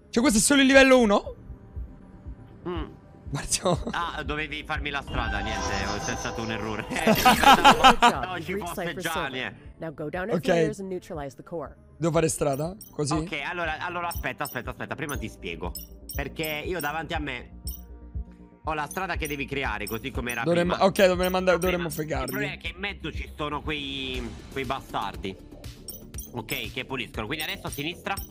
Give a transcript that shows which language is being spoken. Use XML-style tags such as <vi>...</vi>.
<it>Cioè, questo è solo il livello 1? Marzo. Ah, dovevi farmi la strada, niente, c'è stato un errore. No, ci fosse già,</it> <en>Now go down its layers and neutralize the core.</en> <it>Devo fare strada, così. Ok, allora aspetta, prima ti spiego. Perché io davanti a me... ho la strada che devi creare, così come era prima. Ok, dovremmo fregarli. Il problema è che in mezzo ci sono quei bastardi. Ok, che puliscono. Quindi adesso a sinistra.</it>